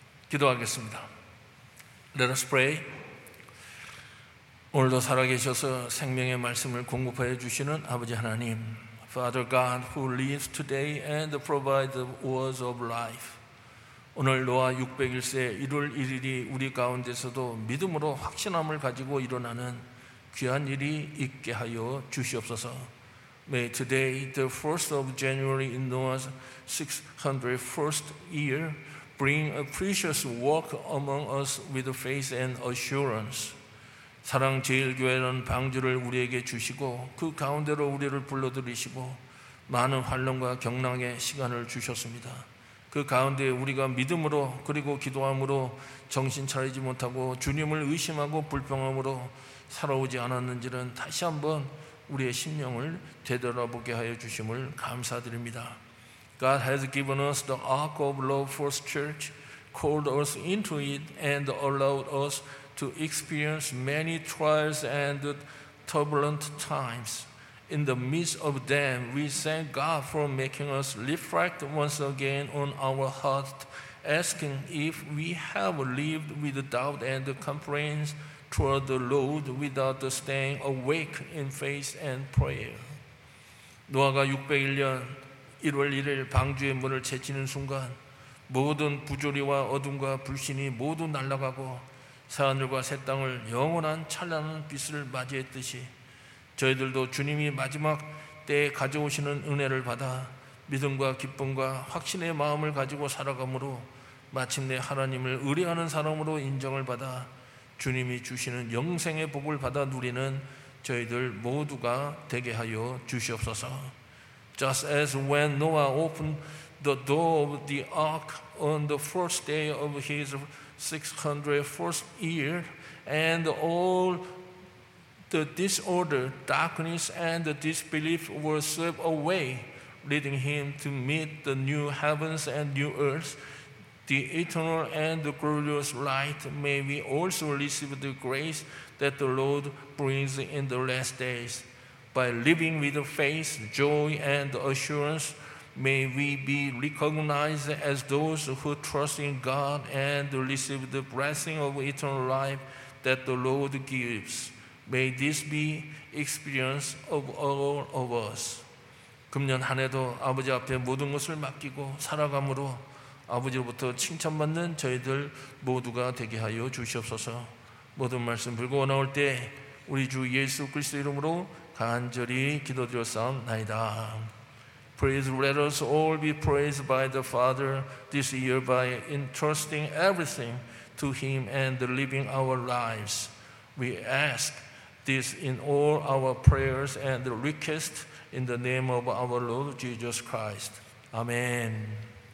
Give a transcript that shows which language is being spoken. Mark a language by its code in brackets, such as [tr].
[ko] 기도하겠습니다. [en] Let us pray. [ko] 오늘도 살아계셔서 생명의 말씀을 공급하여 주시는 아버지 하나님, [en] Father God who lives today and provides the words of life. [ko] 오늘 노아 601세 1월 1일이 우리 가운데서도 믿음으로 확신함을 가지고 일어나는 귀한 일이 있게 하여 주시옵소서. [en] May today, the 1st of January in Noah's 601st year, bring a precious work among us with faith and assurance. [ko] 사랑제일교회는 방주를 우리에게 주시고 그 가운데로 우리를 불러들이시고 많은 환란과 경랑의 시간을 주셨습니다. 그 가운데 우리가 믿음으로 그리고 기도함으로 정신 차리지 못하고 주님을 의심하고 불평함으로 살아오지 않았는지는 다시 한번 우리의 심령을 되돌아보게 하여 주심을 감사드립니다. [en] God has given us the ark of love for the church, called us into it, and allowed us to experience many trials and turbulent times. In the midst of them, we thank God for making us reflect once again on our heart, asking if we have lived with doubt and complaints toward the Lord without staying awake in faith and prayer. [ko] 노아가 601년 1월 1일 방주의 문을 채치는 순간 모든 부조리와 어둠과 불신이 모두 날아가고 새하늘과 새 땅을 영원한 찬란한 빛을 맞이했듯이 저희들도 주님이 마지막 때에 가져오시는 은혜를 받아 믿음과 기쁨과 확신의 마음을 가지고 살아감으로 마침내 하나님을 의뢰하는 사람으로 인정을 받아 주님이 주시는 영생의 복을 받아 누리는 저희들 모두가 되게 하여 주시옵소서. [en] Just as when Noah opened the door of the ark on the first day of his 601st year and all the disorder, darkness, and the disbelief were swept away, leading him to meet the new heavens and new earth, The eternal and the glorious light, may we also receive the grace that the Lord brings in the last days. By living with faith, joy, and assurance, may we be recognized as those who trust in God and receive the blessing of eternal life that the Lord gives. May this be experience of all of us. [ko] 금년 한 해도 아버지 앞에 모든 것을 맡기고 살아감으로 아버지로부터 칭찬받는 저희들 모두가 되게 하여 주시옵소서. 모든 말씀 불고 나올 때 우리 주 예수 그리스도 이름으로 간절히 기도드렸사옵나이다. [en] Please let us all be praised by the Father this year by entrusting everything to Him and living our lives. We ask this in all our prayers and requests in the name of our Lord Jesus Christ. Amen.